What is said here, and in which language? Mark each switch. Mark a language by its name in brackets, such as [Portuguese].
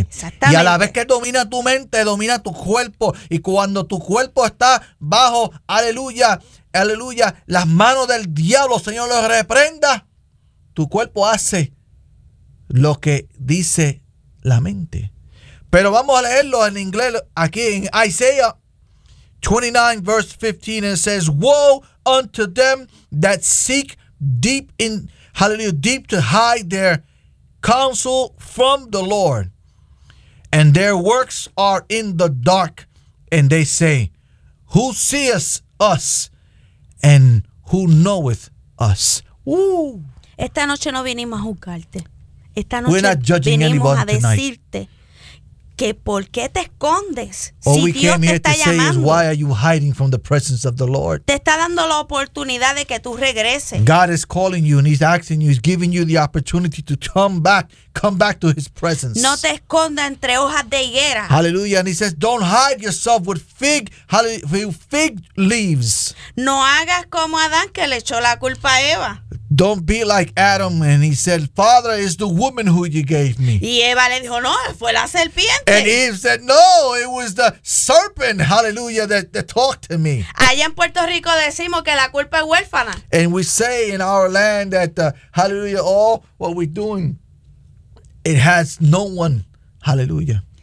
[Spanish] Exactamente. Y a la vez que domina tu mente, domina tu cuerpo. Y cuando tu cuerpo está bajo, aleluya, aleluya, las manos del diablo, Señor, lo reprenda. Tu cuerpo hace lo que dice la mente. Pero vamos a leerlo en inglés aquí en [English] Isaiah 29, verse 15, and it says, woe unto them that seek deep in, hallelujah, deep to hide their counsel from the Lord, and their works are in the dark, and they say, who seeth us, and who knoweth us? [Spanish] Woo. Esta noche no vinimos a juzgarte. Esta noche [English] we're not judging anybody tonight. [Spanish] Que por qué te escondes si Dios te está llamando. [English] Say is, why are you hiding from the presence of the Lord? [Spanish] Te está dando la oportunidad de que tú regreses. [English] God is calling you and he's asking you, he's giving you the opportunity to come back to his presence. [Spanish] No te esconda entre hojas de higuera. [English] Hallelujah. And he says, don't hide yourself with fig leaves. [Spanish] No hagas como Adán que le echó la culpa a Eva. [English] Don't be like Adam, and he said, Father, it's the woman who you gave me. [Spanish] Y Eva le dijo, no, fue la serpiente. [English] And Eve said, no, it was the serpent, hallelujah, that talked to me. [Spanish] Allá en Puerto Rico decimos que la culpa es huérfana. [English] And we say in our land that, hallelujah, all what we're doing, it has no one, hallelujah.